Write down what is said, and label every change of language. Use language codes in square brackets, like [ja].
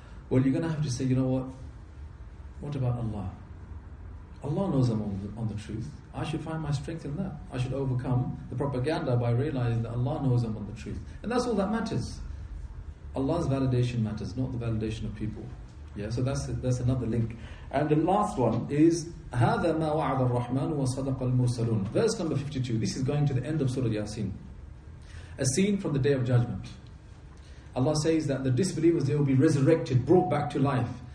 [en] Well, you're going to have to say, you know what? What about Allah? Allah knows I'm on the truth. I should find my strength in that. I should overcome the propaganda by realizing that Allah knows I'm on the truth. And that's all that matters. Allah's validation matters, not the validation of people. Yeah, so that's another link. And the last one is [ar] هَذَا مَا وَعَدَ الرَّحْمَنُ وَصَدَقَ الْمُرْسَلُونَ. [en] Verse number 52. This is going to the end of Surah Yasin, a scene from the Day of Judgment. Allah says that the disbelievers, they will be resurrected, brought back to life.